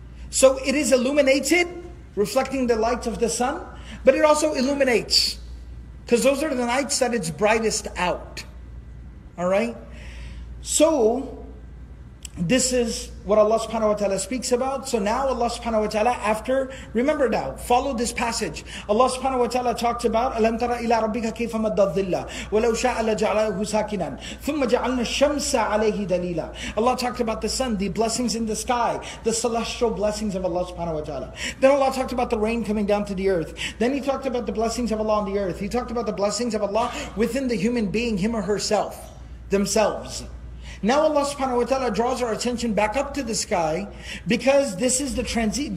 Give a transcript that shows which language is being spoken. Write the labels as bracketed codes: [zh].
[en] So it is illuminated, reflecting the light of the sun, but it also illuminates, because those are the nights that it's brightest out. All right? So this is what Allah subhanahu wa ta'ala speaks about. So now Allah subhanahu wa ta'ala, after, remember now, follow this passage. [ar] Allah subhanahu wa ta'ala [en] talked about, [ar] أَلَمْ تَرَ إِلَىٰ رَبِّكَ كَيْفَ مَدَّ الظِّلَّ وَلَوْ شَاءَ لَجَعْلَهُ سَاكِنًا ثُمَّ جَعَلْنَا الشَّمْسَ عَلَيْهِ دَلِيلًا. [en] Allah talked about the sun, the blessings in the sky, the celestial blessings of Allah subhanahu wa ta'ala. Then Allah talked about the rain coming down to the earth. Then He talked about the blessings of Allah on the earth. He talked about the blessings of Allah within the human being, him or herself, themselves. Now Allah subhanahu wa ta'ala draws our attention back up to the sky, because this is the transit.